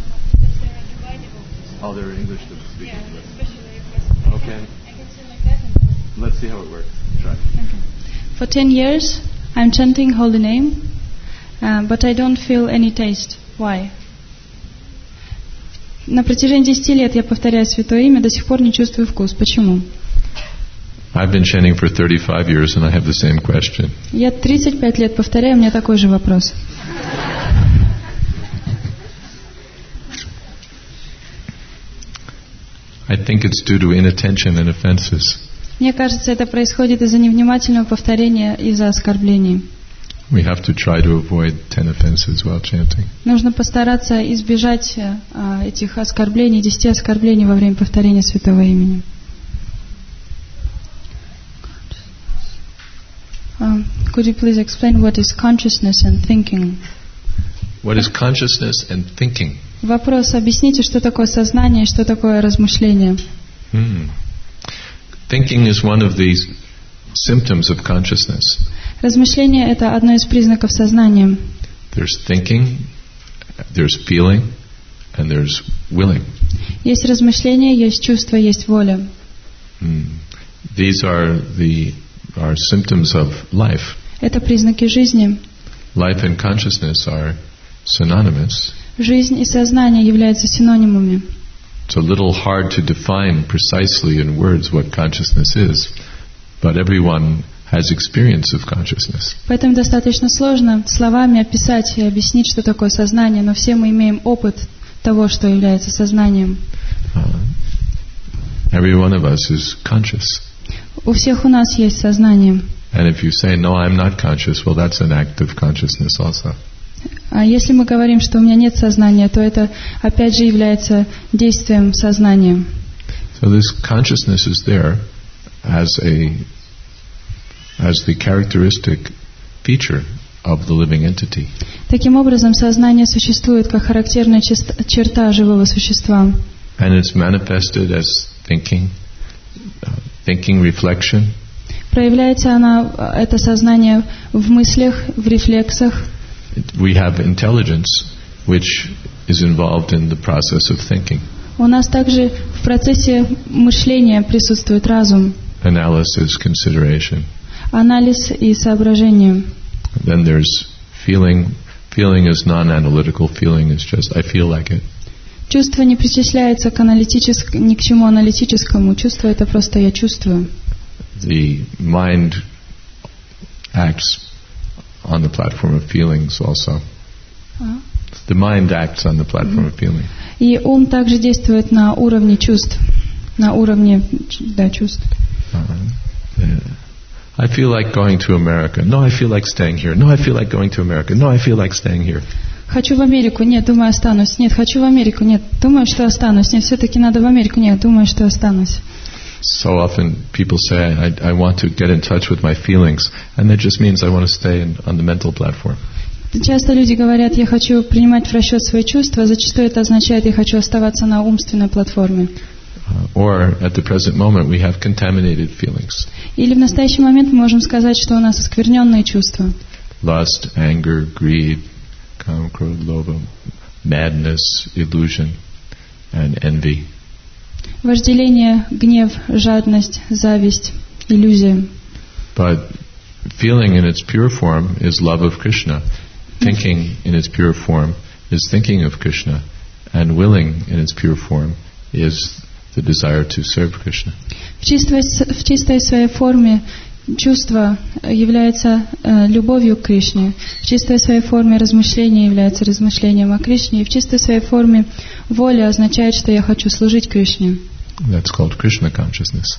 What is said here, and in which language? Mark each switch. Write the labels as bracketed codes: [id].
[en] Because they're divided. Oh, they're English to speak. Yeah, especially if okay. I can let's see how it works. Try. Okay. For 10 years, I'm chanting holy name, but I don't feel any taste. Why? [ru] На протяжении 10 лет я повторяю святое имя, до сих пор не чувствую вкус. Почему? [en] I've been chanting for 35 years and I have the same question. [ru] Я 35 лет повторяю, у меня такой же вопрос. [en] I I think it's due to inattention and offenses. [ru] Мне кажется, это происходит из-за невнимательного повторения и из-за оскорблений. [en] We have to try to avoid 10 offenses while chanting. [ru] Нужно постараться избежать этих оскорблений, 10 оскорблений во время повторения святого имени. [en] Could you please explain what is consciousness and thinking? What is consciousness and thinking? [ru] Вопрос: объясните, что такое сознание и что такое размышление. [en] Thinking is one of these symptoms of consciousness. [ru] Размышление это одно из признаков сознания. [en] There's thinking, there's feeling, and there's willing. [ru] Есть размышление, есть чувство, есть воля. [en] These are the are symptoms of life. [ru] Это признаки жизни. [en] Life and consciousness are synonymous. [ru] Жизнь и сознание являются синонимами. [en] It's a little hard to define precisely in words what consciousness is, but everyone has experience of consciousness. [ru] Поэтому достаточно сложно словами описать и объяснить, что такое сознание, но все мы имеем опыт того, что является сознанием. [en] Every one of us is conscious. [ru] У всех у нас есть сознание. [en] And if you say, no, I'm not conscious, well, that's an act of consciousness also. [ru] А если мы говорим, что у меня нет сознания, то это опять же является действием сознания. [en] So this consciousness is there as a as the characteristic feature of the living entity. [ru] Таким образом, сознание существует как характерная черта живого существа. [en] And it's manifested as thinking, thinking reflection. [ru] Проявляется она это сознание в мыслях, в рефлексах. [en] We have intelligence, which is involved in the process of thinking. [ru] У нас также в процессе мышления присутствует разум. [en] Analysis, consideration. [ru] Анализ и соображение. [en] Then there's feeling. Feeling is non-analytical. Feeling is just I feel like it. [ru] Чувство не причисляется к аналитическому, ни к чему аналитическому. Чувство это просто я чувствую. [en] The mind acts. On the platform of feelings, also. The mind acts on the platform of feeling. [ru] И ум также действует на уровне чувств, на уровне да чувств. [en] I feel like going to America. No, I feel like staying here. No, I feel like going to America. No, I feel like staying here. [ru] Хочу в Америку. Нет, думаю останусь. Нет, хочу в Америку. Нет, думаю, что останусь. Нет, все-таки надо в Америку. Нет, думаю, что останусь. [en] So often people say I want to get in touch with my feelings, and that just means I want to stay in, on the mental platform. [ru] Часто люди говорят, я хочу принимать в расчет свои чувства. Зачастую это означает, я хочу оставаться на умственной платформе. [en] Or at the present moment we have contaminated feelings. [ru] Или в настоящий момент мы можем сказать, что у нас оскверненные чувства. [en] Lust, anger, greed, kaam, krodh, lobha, madness, illusion, and envy. [ru] Вожделение, гнев, жадность, зависть, иллюзия. [en] But feeling in its pure form is love of Krishna. Thinking in its pure form is thinking of Krishna. And willing in its pure form is the desire to serve Krishna. [ru] В чистой своей форме чувство является любовью к Кришне. В чистой своей форме размышление является размышлением о Кришне. И в чистой своей форме воля означает, что я хочу служить Кришне. [en] That's called Krishna consciousness.